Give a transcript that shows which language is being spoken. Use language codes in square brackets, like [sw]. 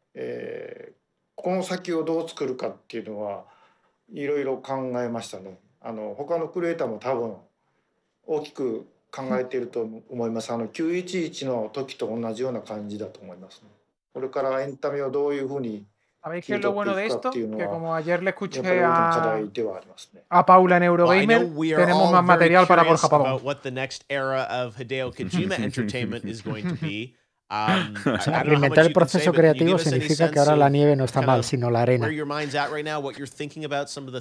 [ja] この先をどう作るかっていうのはいろいろ考えましたね。あの他のクリエイターも多分大きく考えていると思います。あの911の時と同じような感じだと思います、ね、これからエンタメをどういうふうに [es] ¿Sabéis qué es lo bueno de esto? Que como ayer le escuché a Paula en Eurogamer, tenemos más material para Borja Pavón. [en] About what the next era of Hideo Kojima Entertainment is going to be. [es] Reinventar el proceso creativo significa que ahora la nieve no está mal, sino la arena. [en] Where your mind's at right now, what you're thinking about, some of the